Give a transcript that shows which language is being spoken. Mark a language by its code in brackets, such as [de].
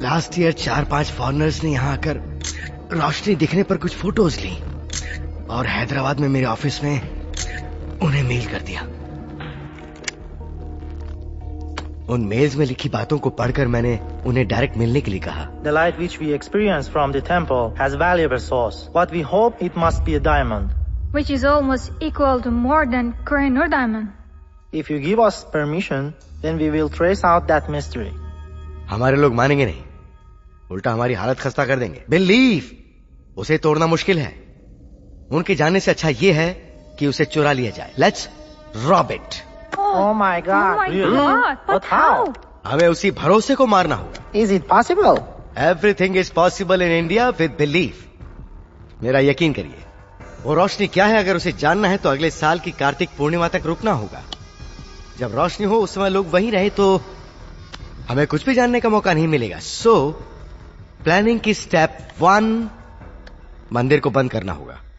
[hi] Last year 4-5 foreigners ने यहाँ आकर रोशनी दिखने पर कुछ फोटोज ली और हैदराबाद में मेरे ऑफिस में उन्हें मेल कर दिया। उन मेल्स में लिखी बातों को पढ़कर मैंने उन्हें डायरेक्ट मिलने के लिए कहा। [en] The light which we experience from the temple has valuable source. What we hope it must be a diamond. Which is almost equal to more than Koh-i-Noor diamond. If you give us permission, then we will trace out that mystery. [hi] हमारे लोग मानेंगे नहीं, उल्टा हमारी हालत खस्ता कर देंगे। बिलीव, उसे तोड़ना मुश्किल है। उनके जाने से अच्छा ये है कि उसे चुरा लिया जाए। [en] Let's rob it. Oh my God. [hi] हमें उसी भरोसे को मारना होगा। [en] Is it possible? Everything is possible in India with belief. [hi] मेरा यकीन करिए, वो रोशनी क्या है अगर उसे जानना है तो अगले साल की कार्तिक पूर्णिमा तक रुकना होगा। जब रोशनी हो उस समय लोग वहीं रहे तो हमें कुछ भी जानने का मौका नहीं मिलेगा। So, planning की step 1, मंदिर को बंद करना होगा।